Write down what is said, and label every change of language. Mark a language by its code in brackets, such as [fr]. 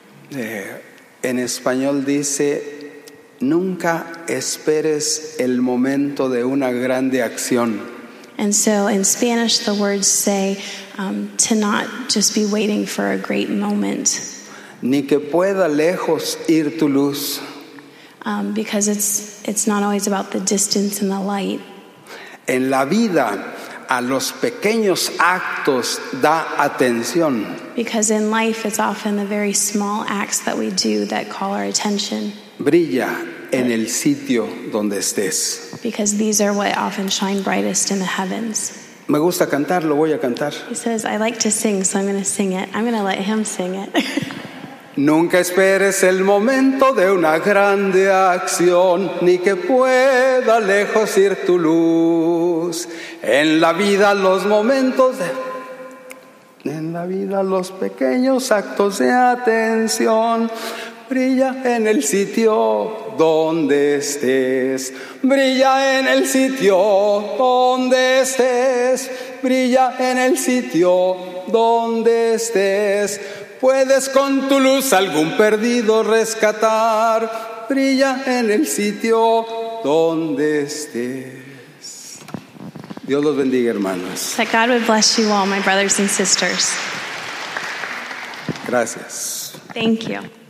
[es] En español dice, nunca esperes el momento de una grande acción. [en] And so in Spanish the words say to not just be waiting for a great moment. [es] Ni que pueda lejos ir tu luz. [en] Because it's not always about the distance and the light. [es] En la vida, a los pequeños actos da atención. [en] Because in life it's often the very small acts that we do that call our attention. [es] Brilla en el sitio donde estés. [en] Because these are what often shine brightest in the heavens. [es] Me gusta cantar, lo voy a cantar. [en] He says, I like to sing, so I'm going to sing it. I'm going to let him sing it. [es] Nunca esperes el momento de una grande acción, ni que pueda lejos ir tu luz. En la vida los momentos de, en la vida los pequeños actos de atención, brilla en el sitio donde estés, brilla en el sitio donde estés, brilla en el sitio donde estés. Puedes con tu luz algún perdido rescatar, brilla en el sitio donde estés. Dios los bendiga, hermanos. [en] That God would bless you all, my brothers and sisters. [es] Gracias. [en] Thank you.